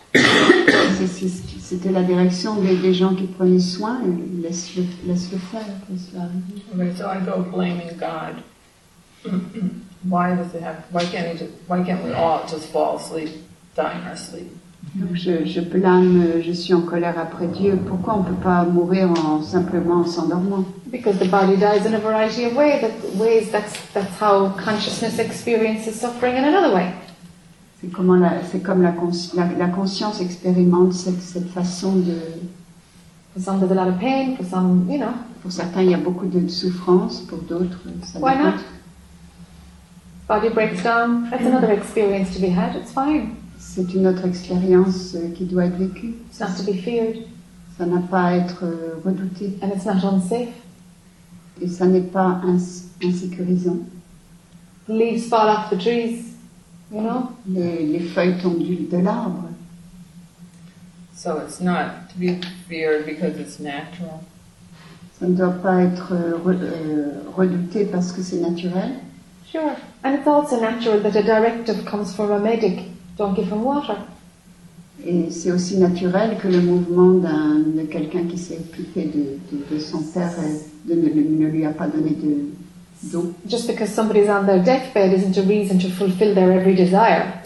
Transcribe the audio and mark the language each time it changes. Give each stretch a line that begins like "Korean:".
French: C'était la direction des gens qui prenaient soin. Laisse-le faire.
English: Okay, so I go blaming God. Why does it happen? Why can't we all just fall asleep, die in our sleep?
French: Donc je blâme, je suis en colère après Dieu. Pourquoi on ne peut pas mourir simplement en s'endormant?
English: Because the body dies in a variety of ways. That's how consciousness experiences suffering in another way.
French: C'est comme la conscience expérimente cette façon de.
English: For some there's a lot of pain. For some, you know.
French: Pour certains il y a beaucoup de souffrance. Pour d'autres, ça
English: why not? Body breaks down. That's another experience to be had. It's fine.
French: C'est une autre expérience qui doit être vécue.
English: It's not to be feared.
French: Ça n'a pas à être redouté.
English: And it's not unsafe.
French: Et ça n'est pas insécurisant.
English: The leaves fall off the trees, you know?
French: Les feuilles tombent de l'arbre.
English: So it's not to be feared because it's natural.
French: Ça ne doit pas être redouté parce que c'est naturel.
English: Sure. And it's also natural that a directive comes from a medic. Don't give him water.
French: Et c'est aussi naturel que le mouvement de quelqu'un qui s'est occupé de son père ne lui a pas donné d'eau.
English: Just because somebody's on their deathbed isn't a reason to fulfill their every desire.